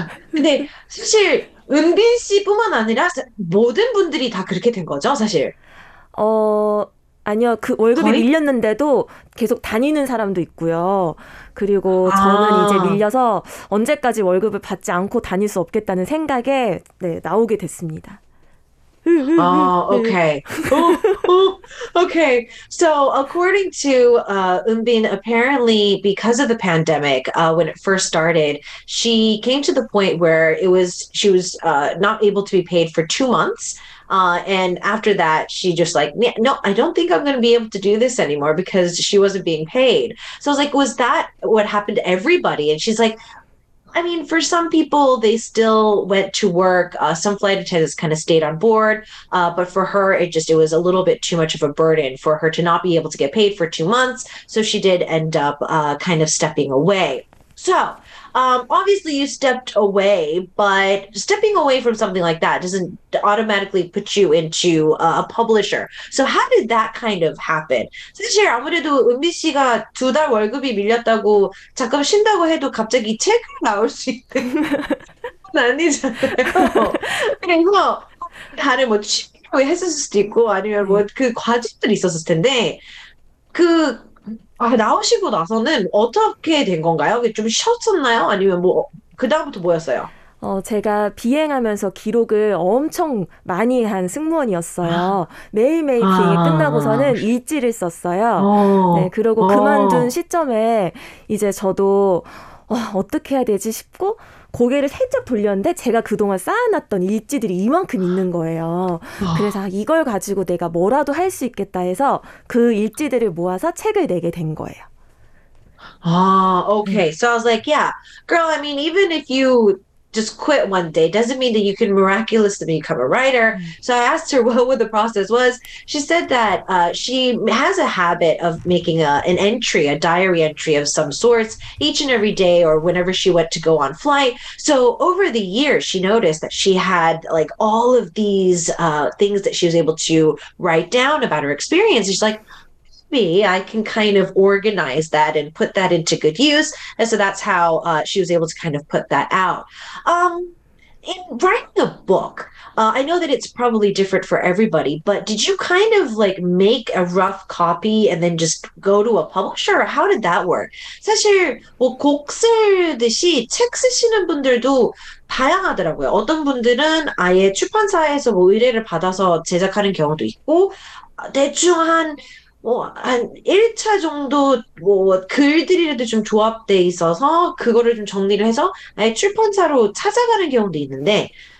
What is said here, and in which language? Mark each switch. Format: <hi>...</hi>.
<ko>근데 사실 은빈 씨뿐만 아니라 모든 분들이 다 그렇게 된 거죠, 사실? 아니요. 그 월급이 거의? 밀렸는데도 계속 다니는 사람도 있고요. 그리고 저는 이제 밀려서 언제까지 월급을 받지 않고 다닐 수 없겠다는 생각에 네, 나오게 됐습니다.</ko> <en>Okay. Okay. So according to Eun-bin, apparently because of the pandemic, when it first started, she came to the point where she was not able to be paid for 2 months. And after that, she just like, no, I don't think I'm going to be able to do this anymore because she wasn't being paid. So I was like, was that what happened to everybody? And she's like, I mean, for some people, they still went to work. Some flight attendants kind of stayed on board. But for her, it was a little bit too much of a burden for her to not be able to get paid for 2 months. So she did end up kind of stepping away. So obviously you stepped away, but stepping away from something like that doesn't automatically put you into a publisher. So how did that kind of happen?</en> <ko>사실 아무래도 은빈 씨가 두 달 월급이 밀렸다고 잠깐 쉰다고 해도 갑자기 책을 나올 수 있는 아니잖아요. 이거 다른 뭐 취미로 했었을 수도 있고 아니면 뭐 그 과제들이 있었을 텐데 그 나오시고 나서는 어떻게 된 건가요? 좀 쉬었었나요? 아니면 뭐 그다음부터 뭐였어요? 제가 비행하면서 기록을 엄청 많이 한 승무원이었어요. 매일매일 비행이 끝나고서는 일지를 썼어요. 네, 그리고 그만둔 시점에 이제 저도 어떻게 해야 되지 싶고 고개를 살짝 돌렸는데 제가 그동안 쌓아놨던 일지들이 이만큼 있는 거예요. 그래서 이걸 가지고 내가 뭐라도 할 수 있겠다 해서 그 일지들을 모아서 책을 내게 된 거예요.</ko> <en>Okay. So I was like, yeah, girl, I mean, even if you just quit one day, doesn't mean that you can miraculously become a writer. So I asked her what the process was. She said that she has a habit of making an entry, a diary entry of some sorts, each and every day or whenever she went to go on flight. So over the years, she noticed that she had like all of these things that she was able to write down about her experience. She's like, me, I can kind of organize that and put that into good use. And so that's how she was able to kind of put that out. In writing a book, I know that it's probably different for everybody, but did you kind of like make a rough copy and then just go to a publisher? Or how did that work?</en> <ko>사실 뭐 곡 쓰듯이 책 쓰시는 분들도 다양하더라고요. 어떤 분들은 아예 출판사에서 뭐 의뢰를 받아서 제작하는 경우도 있고 대충 한 1차 정도 뭐 글들이라도 좀 조합돼 있어서 그거를 좀 정리를 해서 아예 출판사로 찾아가는 경우도 있는데</ko>